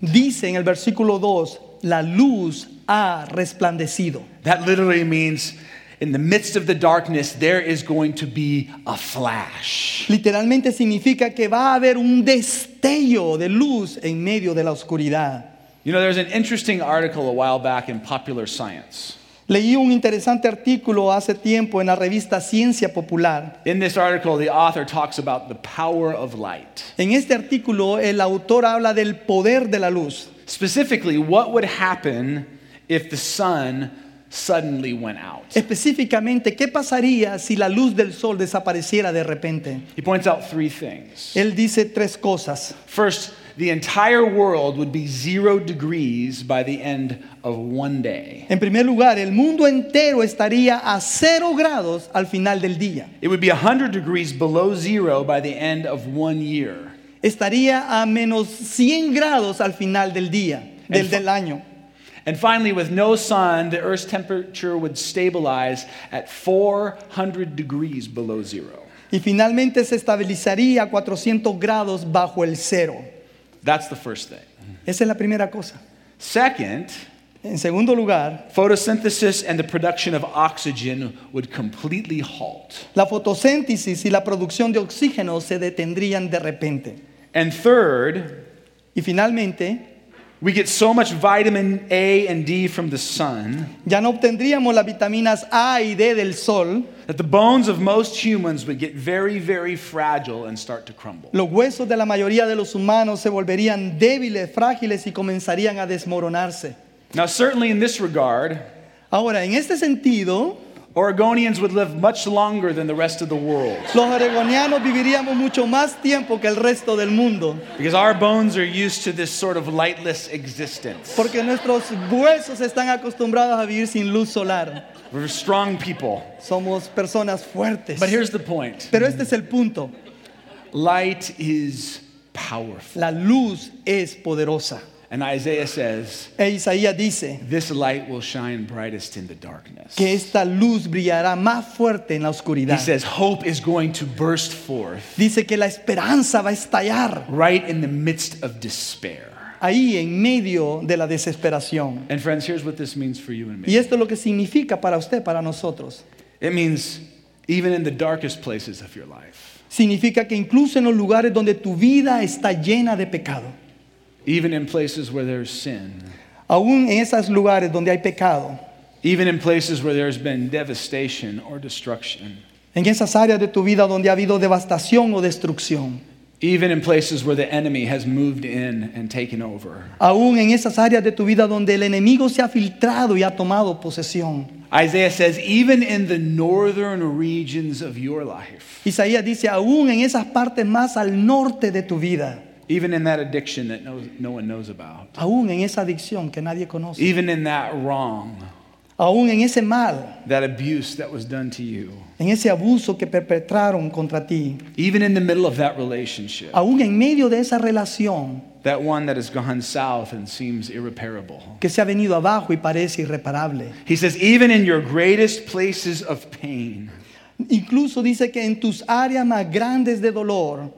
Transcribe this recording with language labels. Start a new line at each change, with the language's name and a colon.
Spanish: Dice en el versículo 2, la luz ha resplandecido.
English: That literally means In the midst of the darkness, there is going to be a flash.
Spanish: Literalmente significa que va a haber un destello de luz en medio de la oscuridad.
English: You know, there's an interesting article a while back in Popular Science.
Spanish: Leí un interesante artículo hace tiempo en la revista Ciencia Popular.
English: In this article, the author talks about the power of light.
Spanish: En este artículo, el autor habla del poder de la luz.
English: Specifically, what would happen if the sun suddenly went out.
Spanish: Específicamente, ¿qué pasaría si la luz del sol desapareciera de repente?
English: He points out three things.
Spanish: Él dice tres cosas.
English: First, the entire world would be 0 degrees by the end of one day.
Spanish: En primer lugar, el mundo entero estaría a cero grados al final del día.
English: It would be 100 degrees below zero by the end of one year.
Spanish: Estaría a menos 100 grados al final del día, del año.
English: And finally, with no sun, the Earth's temperature would stabilize at 400 degrees below zero.
Spanish: Y finalmente se estabilizaría a 400 grados bajo el cero.
English: That's the first thing.
Spanish: Esa es la primera cosa.
English: Second,
Spanish: en segundo lugar,
English: photosynthesis and the production of oxygen would completely halt.
Spanish: La fotosíntesis y la producción de oxígeno se detendrían de repente.
English: And third,
Spanish: y finalmente,
English: we get so much vitamin A and D from the sun.
Spanish: Ya no obtendríamos las vitaminas A y D del sol.
English: That the bones of most humans would get very, very fragile and start to crumble.
Spanish: Los huesos de la mayoría de los humanos se volverían débiles, frágiles y comenzarían a desmoronarse.
English: Now, certainly in this regard,
Spanish: ahora en este sentido,
English: Oregonians would live much longer than the rest of the world.
Spanish: Los oregonianos viviríamos mucho más tiempo que el resto del mundo.
English: Because our bones are used to this sort of lightless existence.
Spanish: Porque nuestros huesos están acostumbrados a vivir sin luz solar.
English: We're strong people.
Spanish: Somos personas fuertes.
English: But here's the point.
Spanish: Pero este es el punto.
English: Light is powerful.
Spanish: La luz es poderosa.
English: And Isaiah says,
Spanish: e Isaías dice,
English: this light will shine brightest in the darkness.
Spanish: Que esta luz brillará más fuerte en la oscuridad.
English: He says, hope is going to burst forth.
Spanish: Dice que la esperanza va a estallar.
English: Right in the midst of despair.
Spanish: Ahí en medio de la desesperación.
English: And friends, here's what this means for you and me.
Spanish: Y esto es lo que significa para usted, para nosotros.
English: It means even in the darkest places of your life.
Spanish: Significa que incluso en los lugares donde tu vida está llena de pecado.
English: Even in places where there's sin.
Spanish: Aún en esos lugares donde hay pecado.
English: Even in places where there's been devastation or destruction.
Spanish: En esas áreas de tu vida donde ha habido devastación o destrucción.
English: Even in places where the enemy has moved in and taken over.
Spanish: Aún en esas áreas de tu vida donde el enemigo se ha filtrado y ha tomado posesión.
English: Isaiah says, even in the northern regions of your life.
Spanish: Isaías dice, aún en esas partes más al norte de tu vida.
English: Even in that addiction that no one knows about.
Spanish: Aún en esa adicción que nadie conoce.
English: Even in that wrong.
Spanish: Aún en ese mal.
English: That abuse that was done to you.
Spanish: En ese abuso que perpetraron contra ti.
English: Even in the middle of that relationship.
Spanish: Aún en medio de esa relación.
English: That one that has gone south and seems irreparable.
Spanish: Que se ha venido abajo y parece irreparable.
English: He says, even in your greatest places of pain.
Spanish: Incluso dice que en tus áreas más grandes de dolor.